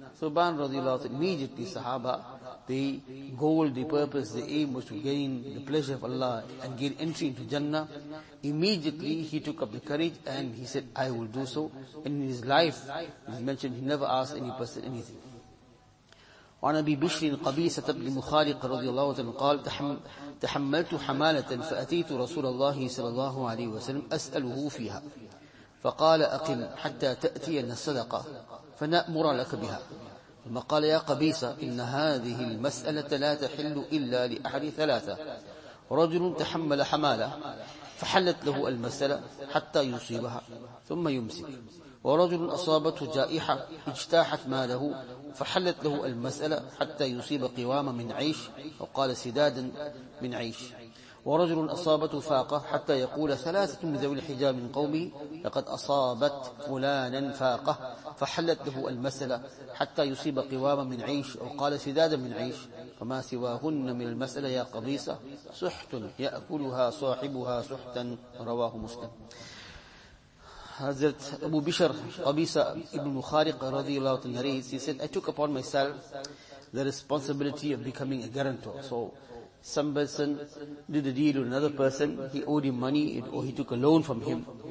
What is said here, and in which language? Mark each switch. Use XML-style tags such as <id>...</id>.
<en>Subhan radiallahu anhu, immediately Sahaba, the goal, the purpose, the aim was to gain the pleasure of Allah and gain entry into Jannah. Immediately he took up the courage and he said, I will do so. And in his life, he mentioned he never asked any person anything.</en> <ar>وعن أبي بشر قبيصة بن مخارق رضي الله عنه قال: تحملت حمالة فأتيت رسول الله صلى الله عليه وسلم أسأله فيها، فقال: أقم حتى تأتينا الصدقة فنأمر لك بها. ثم قال: يا قبيصة، إن هذه المسألة لا تحل إلا لأحد ثلاثة: رجل تحمل حمالة فحلت له المسألة حتى يصيبها ثم يمسك، ورجل أصابته جائحة اجتاحت ماله فحلت له المسألة حتى يصيب قواما من عيش أو قال سدادا من عيش، ورجل أصابته فاقة حتى يقول ثلاثة من ذوي الحجاب من قومه: لقد أصابت فلانا فاقة، فحلت له المسألة حتى يصيب قواما من عيش أو قال سدادا من عيش، فما سواهن من المسألة يا قبيصة سحت يأكلها صاحبها سحتا. رواه مسلم.</ar> <en>Hazrat Abu Bishr Qabisa ibn Mukhariq radiallahu anhu narrates, he said, I took upon myself the responsibility of becoming a guarantor. So some person did a deal with another person, he owed him money or he took a loan from him.</en>